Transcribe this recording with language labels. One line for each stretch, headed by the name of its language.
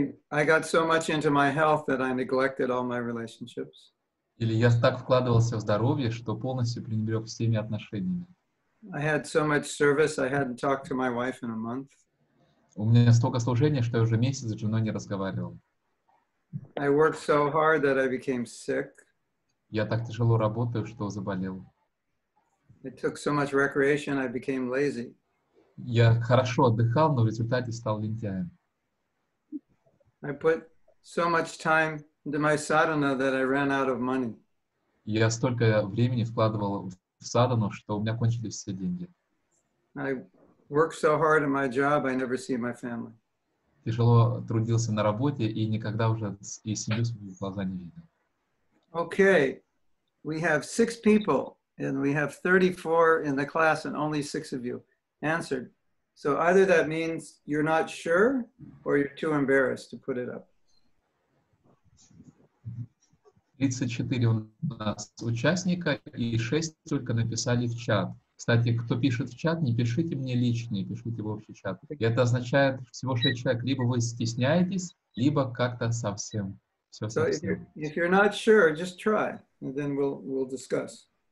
English: I got so much into my health that I neglected all my relationships.
Russian: Или я так вкладывался в здоровье, что полностью пренебрег всеми отношениями.
English: I had so much service I hadn't talked to my wife in a month.
Russian: У меня столько служения, что я уже месяц с женой не разговаривал.
English: I worked so hard that I became sick.
Russian: Я так тяжело работаю, что заболел.
English: I took so much recreation, I became lazy.
Russian: Я хорошо отдыхал, но в результате стал лентяем.
English: I put so much time into my sadhana that I ran out of money.
Russian: Я столько времени вкладывал в садхану, что у меня кончились все деньги.
English: I worked so hard in my job, I never see my family.
Russian: Тяжело трудился на работе и никогда уже и семью свою в глаза не видел.
English: Okay, we have 6 people and we have 34 in the class and only 6 of you answered. So either that means you're not sure or you're too embarrassed to put it up.
Russian: 34 у нас участника и 6 только написали в чат. Кстати, кто пишет в чат, не пишите мне личные, пишите в общий чат. И это означает, что всего 6 человек, либо вы стесняетесь, либо как-то совсем. Все
English: so
Russian: совсем.
English: If you're not sure, just try, and then we'll discuss.